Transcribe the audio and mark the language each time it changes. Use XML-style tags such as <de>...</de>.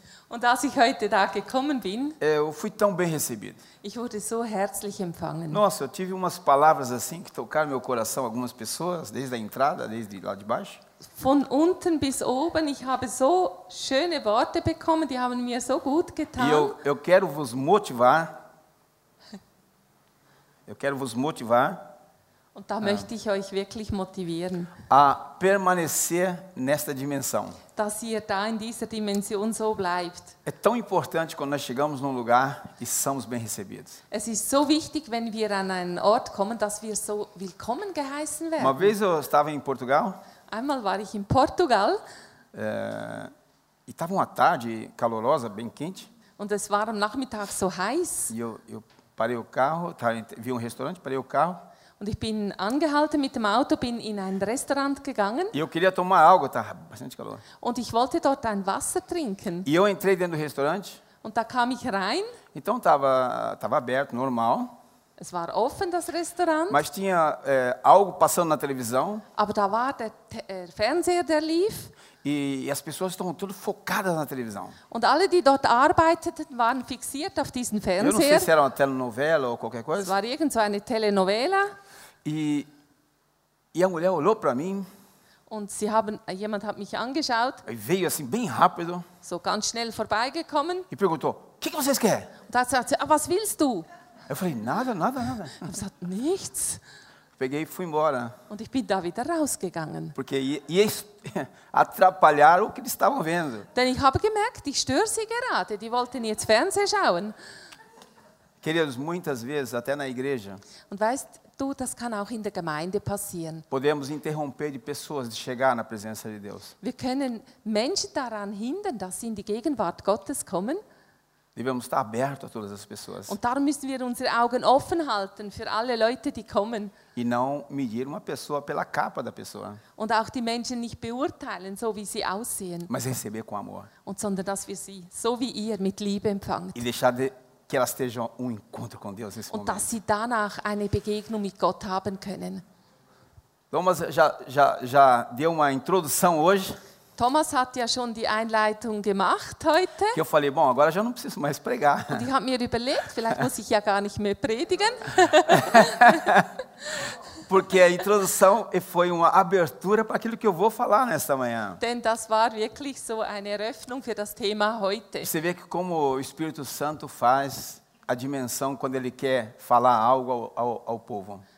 <de>und als ich heute da gekommen bin,</de> <pt>eu fui tão bem recebido.</pt> <de>Ich wurde so herzlich empfangen.</de> <pt>Nossa, eu tive umas palavras assim que tocaram meu coração, algumas pessoas, desde a entrada, desde lá de baixo.</pt> <de>Von unten bis oben, ich habe so schöne Worte bekommen, die haben mir so gut getan.</de> <pt>Eu quero vos motivar. Eu quero vos motivar.</pt> <de>Und da möchte ich euch wirklich motivieren.</de> <pt>A permanecer nesta dimensão.</pt> <de>Dass ihr da in dieser Dimension so bleibt.</de> <pt>É tão importante quando nós chegamos num lugar e somos bem recebidos.</pt> <de>Es ist so wichtig, wenn wir an einen Ort kommen, dass wir so willkommen geheißen werden.</de> <pt>Uma vez eu estava em Portugal.</pt> <de>Einmal war ich in Portugal.</de> <pt>E estava uma tarde calorosa, bem quente.</pt> <de>Und es war am Nachmittag so heiß.</de> <pt>E eu parei o carro, vi um restaurante, parei o carro.</pt> <de>Und ich bin angehalten mit dem Auto, bin in ein Restaurant gegangen.</de> <pt>E eu queria tomar algo, tá bastante calor.</pt> <de>Und ich wollte dort ein Wasser trinken.</de> <pt>E eu entrei dentro do restaurante.</pt> <de>Und da kam ich rein.</de> <pt>Então tava aberto, normal.</pt> <de>Es war offen, das Restaurant.</de> <pt>Mas tinha algo passando na televisão.</pt> <de>Aber da war der Fernseher, der lief.</de> <pt>E as pessoas estavam tudo focadas na televisão.</pt> <de>Und alle, die dort arbeiteten, waren fixiert auf diesen Fernseher.</de> <pt>Eu não sei se era uma telenovela ou qualquer coisa.</pt> <de>Es war irgend so eine Telenovela.</de> <pt>E a mulher olhou para mim.</pt> <de>Und sie haben, jemand hat mich angeschaut.</de> <pt>E veio assim bem rápido.</pt> <de>So ganz schnell vorbeigekommen.</de> <pt>E perguntou: "Que que vocês querem?"</pt> <de>Und da sagte sie: "Ah, was willst du?"</de> <pt>Eu falei: "Nada, nada, nada."</pt> <de>Ich sagte: "Nichts."</de> <pt>Peguei e fui embora.</pt> <de>Und ich bin da wieder rausgegangen.</de> <pt>Porque atrapalhar o que eles estavam vendo.</pt> <de>Denn ich habe gemerkt, ich störe sie gerade. Die wollten jetzt Fernsehen schauen.</de> <pt>Queridos, muitas vezes, até na igreja.</pt> <de>Und weißt du, das kann auch in der Gemeinde passieren.</de> <pt>Podemos interromper de pessoas de chegar na presença de Deus.</pt> <de>Wir können Menschen daran hindern, dass sie in die Gegenwart Gottes kommen.</de> <pt>Devemos estar abertos a todas as pessoas.</pt> <de>Und darum müssen wir unsere Augen offen halten für alle Leute, die kommen.</de> <pt>E não medir uma pessoa pela capa da pessoa.</pt> <de>Und auch die Menschen nicht beurteilen, so wie sie aussehen.</de> <pt>Mas receber com amor.</pt> <de>Und sondern dass wir sie, so wie ihr, mit Liebe empfangen.</de> <pt>E deixar que elas estejam um encontro com Deus nesse</pt> <de>und</de> <pt>momento.</pt> <de>Und dass sie danach eine Begegnung mit Gott haben können.</de> <pt>Thomas já deu uma introdução hoje.</pt> <de>Thomas hat ja schon die Einleitung gemacht heute.</de> <pt>Que eu falei, bom, agora já não preciso mais pregar.</pt> <de>Und ich habe mir überlegt, vielleicht muss ich ja gar nicht mehr predigen.</de> <pt>Porque a introdução foi uma abertura para aquilo que eu vou falar nesta manhã.</pt> <de>Denn das war wirklich so eine Eröffnung für das Thema heute.</de> <pt>Você vê que como o Espírito Santo faz a dimensão quando ele quer falar algo ao povo.</pt>